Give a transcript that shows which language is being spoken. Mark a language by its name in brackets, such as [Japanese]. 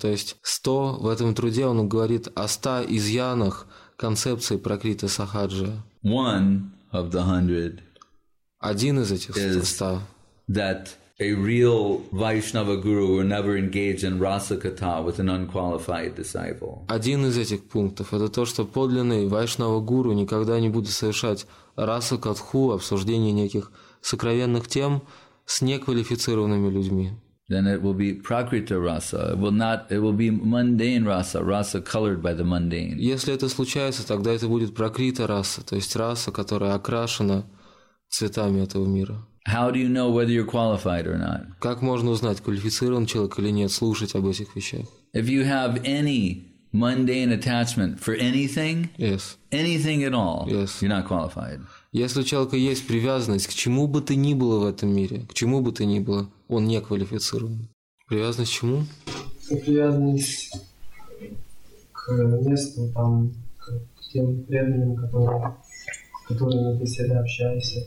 [Russian] То есть 100, в этом труде он говорит о 100 изъянах концепции Пракрита Сахаджа. [English] One of the 100 [Russian] один из этих 100 [English] that a real Vaishnava guru will never engage in rasa katha with an unqualified disciple. [Russian] Один из этих пунктов это то, что подлинный вайшнава гуру никогда не будет совершать раса катху, обсуждение неких сокровенных тем с неквалифицированными людьми. [English] Then it will be prakrita rasa. It will be mundane rasa, rasa colored by the mundane. [Russian] Если это случается, тогда это будет прокрита раса, то есть раса, которая окрашена цветами этого мира. [English] How do you know whether you're qualified or not? [Russian] Как можно узнать, квалифицирован человек или нет, слушать об этих вещах? [English] If you have any mundane attachment for anything, yes. Anything at all, yes. You're not qualified. [Russian] Если у человека есть привязанность к чему бы то ни было в этом мире, к чему бы то ни было, он не квалифицирован. Привязанность к чему? Привязанность к месту, там, к тем преданным, которые мы по себе общаемся.